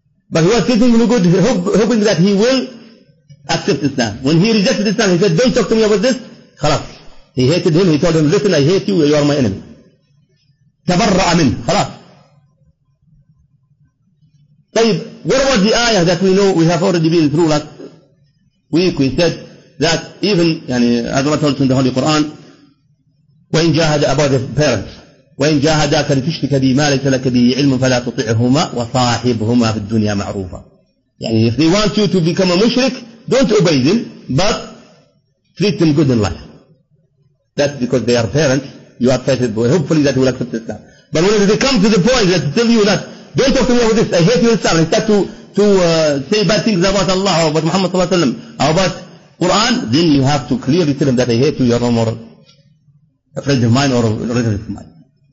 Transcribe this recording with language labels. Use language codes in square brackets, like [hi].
[en] But he was treating him good, hoping that he will accept Islam. When he rejected Islam, he said, don't talk to me about this. [ar] خلاص. [en] He hated him. He told him, listen, I hate you. You are my enemy. [ar] تبرأ منه. خلاص. طيب, [en] what about the ayah that we know we have already been through last week? We said that even, [ar] يعني, [en] as Allah told us in the Holy Quran, [ar] وَإِنْ جَاهَدَ أَبَوَاكَ فَارْضُهُمَا وَإِنْ جَاهَدَاكَ لِتُشْرِكَ بِي مَا لَيْسَ لَكَ بِهِ عِلْمٌ فَلَا تُطِعْهُمَا وَصَاحِبْهُمَا فِي الدُّنْيَا مَعْرُوفًا. يعني, [en] if they want you to become a mushrik, don't obey them, but treat them good in life. That's because they are parents. You are treated well. Hopefully that you will accept Islam. But when they come to the point that tell you that, don't talk to me about this, I hate your Islam, instead to say bad things about Allah or about Muhammad sallallahu alayhi wa sallam, or about Quran, then you have to clearly tell them that I hate you, you're no more a friend of mine or a relative of mine.